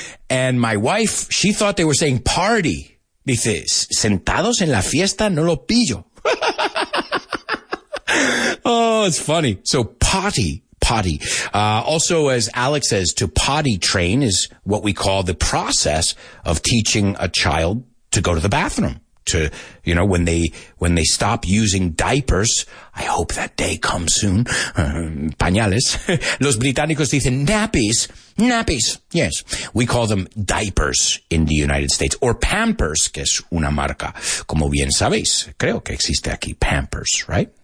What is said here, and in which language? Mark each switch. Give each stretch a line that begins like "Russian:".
English: And my wife, she thought they were saying party.
Spanish: Dice, sentados en la fiesta, no lo pillo.
English: Oh, it's funny. So potty, potty. Also, as Alex says, to potty train is what we call the process of teaching a child to go to the bathroom. To, you know, when they stop using diapers, I hope that day comes soon.
Spanish: Pañales. Los británicos dicen nappies. Nappies. Yes.
English: We call them diapers in the United States.
Spanish: Or Pampers, que es una marca. Como bien sabéis, creo que existe aquí Pampers, right?